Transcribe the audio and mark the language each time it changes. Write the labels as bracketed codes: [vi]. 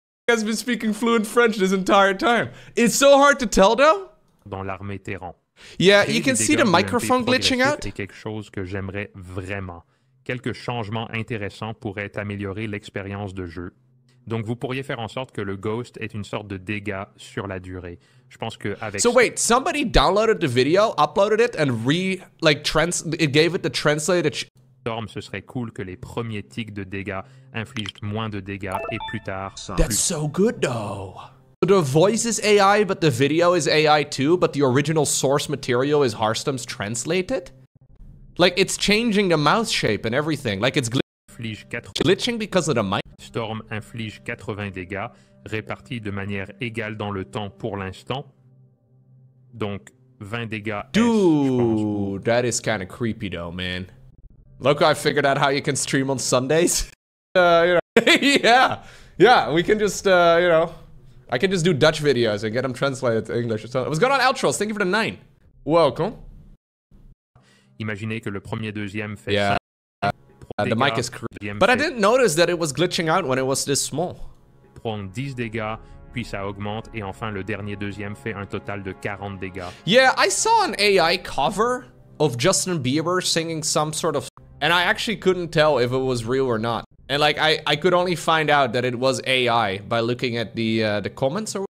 [en] If this guy has been speaking fluent French this entire time. It's so hard to tell though. [fr] Dans l'armée Terran. [en] Yeah, you can see the microphone glitching out. [fr] C'est quelque chose que j'aimerais vraiment. Quelques changements intéressants pourraient améliorer l'expérience de jeu. Donc vous pourriez faire en sorte que le Ghost ait une sorte de dégâts sur la durée. Je pense que avec [en] So wait, somebody downloaded the video, uploaded it and it gave it the translated [fr] Storm, ce serait cool que les premiers tics de dégâts infligent moins de dégâts et plus tard [en] That's so good though. The voice is AI, but the video is AI too, but the original source material is Harstam's translated? Like, it's changing the mouth shape and everything. Like, it's glitching because of the mic. [fr] Storm inflige 80 dégâts, répartis de manière égale dans le temps pour l'instant. Donc, 20 dégâts. [en] Dude, that is kind of creepy though, man. Loco, I figured out how you can stream on Sundays. You know. yeah, we can just, you know. I can just do Dutch videos and get them translated to English. So, what's going on, Altros? Thank you for the 9. Welcome. [fr] Imaginez que le premier deuxième fait [en] yeah. The mic is creepy. But I didn't notice that it was glitching out when it was this small. [fr] Prend 10 dégâts, puis ça augmente, et enfin le dernier deuxième fait un total de 40 dégâts. [en] Yeah, I saw an AI cover of Justin Bieber singing some sort of... And I actually couldn't tell if it was real or not. And like, I could only find out that it was AI by looking at the comments or...